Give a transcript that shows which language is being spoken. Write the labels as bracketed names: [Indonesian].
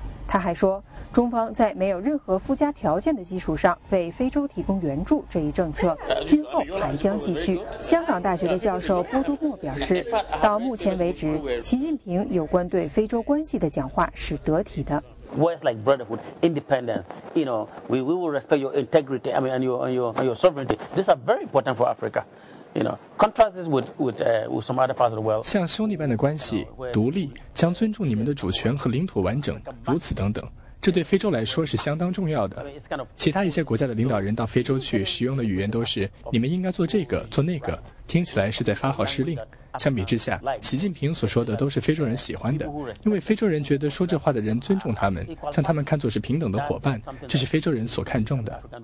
[Chinese] 他还说，中方在没有任何附加条件的基础上为非洲提供援助这一政策今后还将继续。香港大学的教授波多莫表示，到目前为止，习近平有关对非洲关系的讲话是得体的。 [English] Words like brotherhood, independence, you know, we will respect your integrity, I mean, and your sovereignty. These are very important for Africa. You know, contrast this with some other parts of the world. [Chinese] 像兄弟般的关系，独立，将尊重你们的主权和领土完整，如此等等，这对非洲来说是相当重要的。其他一些国家的领导人到非洲去使用的语言都是，你们应该做这个，做那个，听起来是在发号施令。相比之下，习近平所说的都是非洲人喜欢的，因为非洲人觉得说这话的人尊重他们，将他们看作是平等的伙伴，这是非洲人所看重的。